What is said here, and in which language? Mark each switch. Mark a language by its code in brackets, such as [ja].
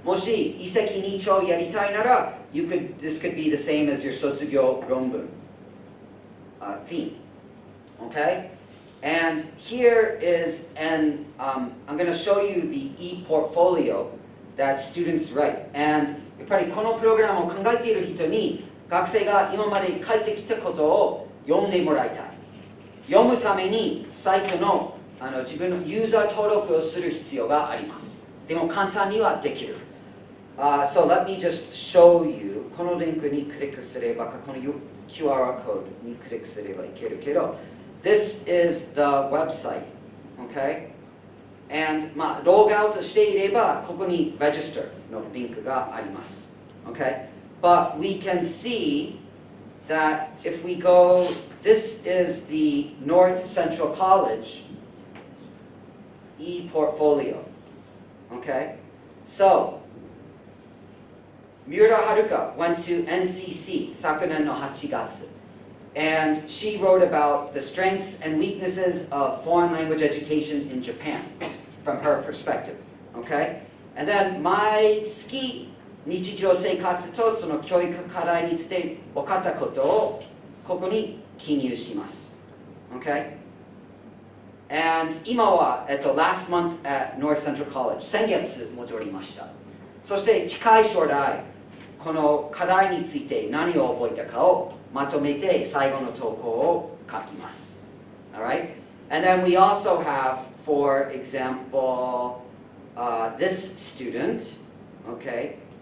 [ja] Moshi iseki ni chou yaritai nara, [en] this could be the same as your [ja] sotsugyo ronbun [en] theme. Okay? And here is I'm going to show you the e-portfolio that students write. [ja] And やっぱりこのプログラムを考えている人に学生が今まで書いてきたことを読んでもらいたい。読むためにサイト の自分のユーザー登録をする必要があります。でも簡単にはできる。 [en] So let me just show you [ja] このリンクにクリックすればか、この QR コードにクリックすればいけるけど、 [en] This is the website, okay? [ja] And まあ、ログアウトしていれば、ここに register のリンクがあります。Okay? [en] But we can see that if we go, this is the North Central College e-portfolio, okay? So, Miura Haruka went to NCC, [ja] 昨年の8月。 [en] And she wrote about the strengths and weaknesses of foreign language education in Japan from her perspective. Okay? [ja] And then, 毎月日常生活とその教育課題について分かったことをここに記入します。 [en] Okay? And [ja] 今は、 [en] last month at North Central College, [ja] 先月戻りました。そして近い将来、この課題について何を覚えたかをまとめて最後の投稿を書きます。 [en] All right? And then we also have, for example, this student, okay?